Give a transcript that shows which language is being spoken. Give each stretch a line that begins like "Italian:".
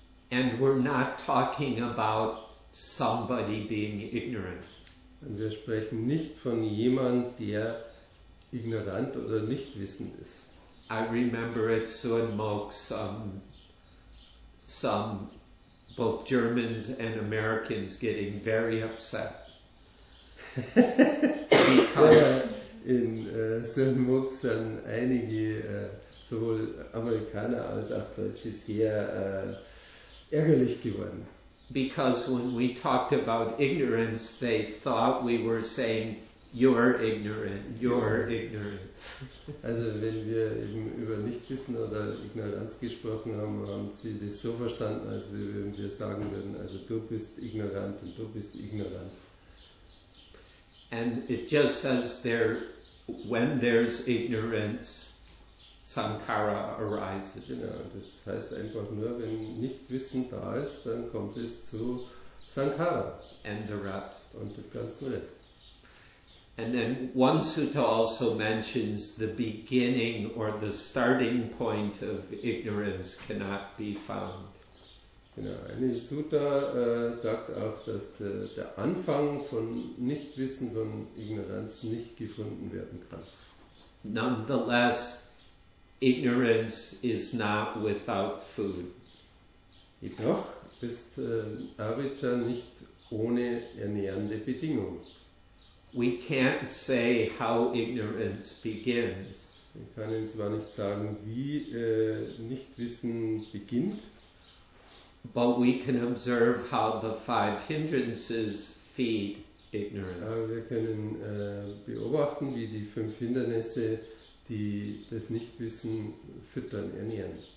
English: And we're not talking about somebody being ignorant.
German: Und wir sprechen nicht von jemand, der ignorant oder nicht wissend ist.
English: I remember at Suan Mok some both Germans and Americans getting very upset.
German: In Suan Mok sind einige sowohl Amerikaner als auch Deutsche sehr ärgerlich geworden.
English: Because when we talked about ignorance, they thought we were saying, you're ignorant, you're ignorant.
German: Also wenn wir eben über Nichtwissen oder Ignoranz gesprochen haben, haben sie das so verstanden, als würden wir sagen würden, also du bist ignorant und du bist ignorant.
English: And it just says there, when there's ignorance, Sankara arises.
German: Genau, das heißt einfach nur, wenn Nichtwissen da ist, dann kommt es zu Sankara.
English: And the rest.
German: Und dem ganzen Rest.
English: And then one sutta also mentions the beginning or the starting point of ignorance cannot be found.
German: Genau, eine Sutta sagt auch, dass der Anfang von Nichtwissen, von Ignoranz nicht gefunden werden kann.
English: Nonetheless, ignorance is not without food.
German: Jedoch ist Avijja nicht ohne ernährende Bedingungen.
English: We can't say how ignorance begins.
German: Wir können zwar nicht sagen, wie Nichtwissen beginnt.
English: But we can observe how the five hindrances feed ignorance.
German: Aber wir können beobachten, wie die fünf Hindernisse die das Nichtwissen füttern, ernähren.